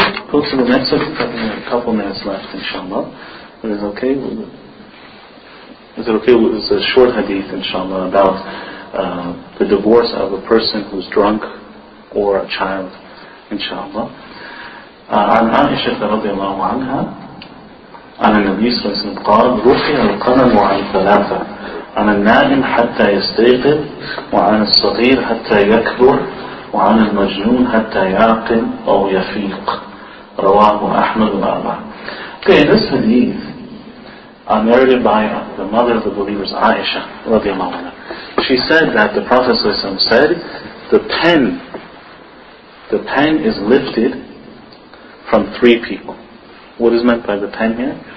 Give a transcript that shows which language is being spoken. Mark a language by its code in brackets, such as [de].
[en] Go to the next one. We have a couple minutes left, inshallah. Is it okay? It's a short hadith, inshallah, about the divorce of a person who's drunk or a child, inshallah. [ar] عن عائشة رضي الله عنها عن النبي صلى الله عليه وسلم قال رفع القلم عن ثلاثة عن النائم حتى يستيقظ وعن الصغير حتى يكبر وعن المجنون حتى يعقل أو يفيق رواه أحمد وأبا. [en] Okay, this hadith narrated by the mother of the believers, Aisha رضي الله عنها. She said that the Prophet صلى الله عليه وسلم said, the pen is lifted from three people. What is meant by the pen here?